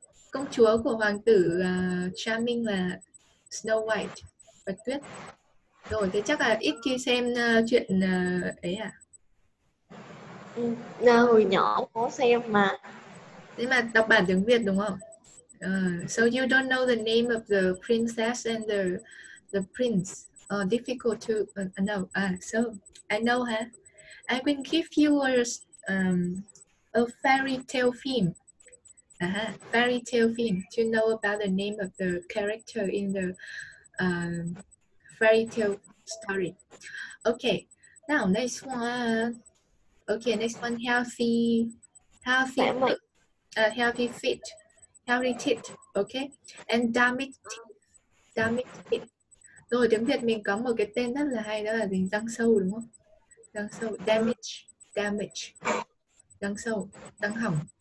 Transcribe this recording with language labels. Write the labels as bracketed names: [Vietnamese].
[Vietnamese] Công chúa của hoàng tử charming là Snow White. Bạch Tuyết. Rồi, thế chắc là ít khi xem chuyện ấy à? Hồi nhỏ có xem mà. Nhưng mà đọc bản tiếng Việt đúng không? [English] So you don't know the name of the princess and the prince. Difficult to know. So I know, huh? I will give you a fairy tale theme. Fairy tale theme. To know about the name of the character in the fairy tale story. Okay. Now next one. Okay. Next one. Healthy. Healthy feet, healthy teeth, okay, and damaged teeth. [Vietnamese] Rồi tiếng Việt mình có một cái tên rất là hay đó là gì? Răng sâu đúng không? Răng sâu, damage, răng sâu, răng hỏng.